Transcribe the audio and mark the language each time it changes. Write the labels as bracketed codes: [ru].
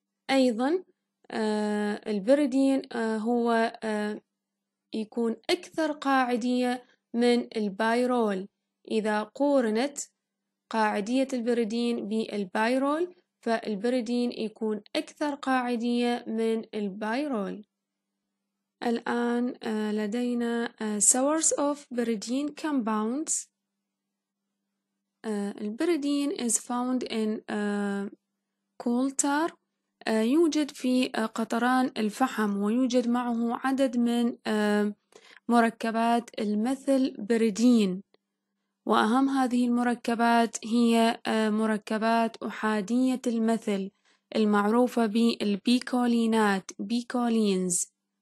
[ar] أيضا البيريدين هو يكون أكثر قاعدية من البايرول. إذا قورنت قاعدية البيريدين بالبايرول فالبيريدين يكون أكثر قاعدية من البايرول. الآن لدينا [en] source of pyridine compounds. البيريدين is found in coal tar. [ar] يوجد في قطران الفحم، ويوجد معه عدد من مركبات المثل بيريدين، وأهم هذه المركبات هي مركبات أحادية المثل المعروفة بالبيكولينات بيكولينز.